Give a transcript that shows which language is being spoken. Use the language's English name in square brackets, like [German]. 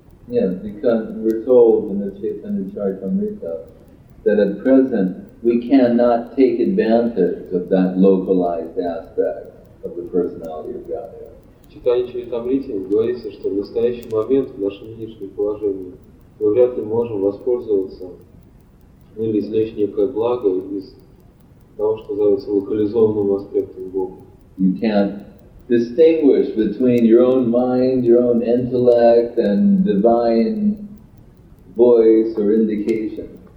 [English] Yes, because we're told in the Chaitanya Charitamrita that at present we cannot take advantage of that localized aspect of the personality of Godhead. [Russian] Chaitanya Charitamrita говорится, что в настоящий момент в нашем нынешнем положении мы вряд ли можем воспользоваться или извлечь некое благо из того, что называется локализованным аспектом Бога. [English] You can't distinguish between your own mind, your own intellect, and divine voice or indication.